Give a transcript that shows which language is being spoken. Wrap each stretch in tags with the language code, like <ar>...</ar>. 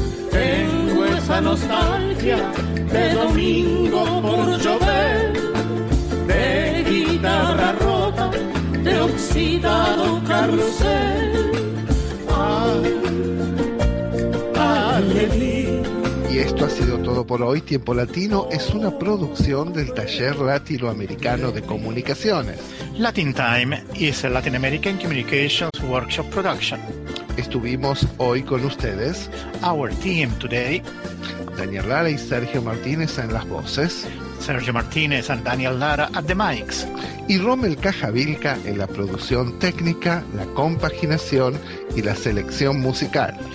<es>Tengo esa nostalgia de domingo por llover, de guitarra rota, de oxidado carrusel. Y esto ha sido todo por hoy. Tiempo Latino es una producción del Taller Latinoamericano de Comunicaciones.</es> <en>Latin Time is a Latin American Communications Workshop Production.</en> <es>Estuvimos hoy con ustedes.</es> <en>Our team today.</en> <es>Daniel Lara y Sergio Martínez en las voces.</es> <en>Sergio Martínez and Daniel Lara at the mics.</en> <es>Y Rommel Cajavilca en la producción técnica, la compaginación y la selección musical.</es>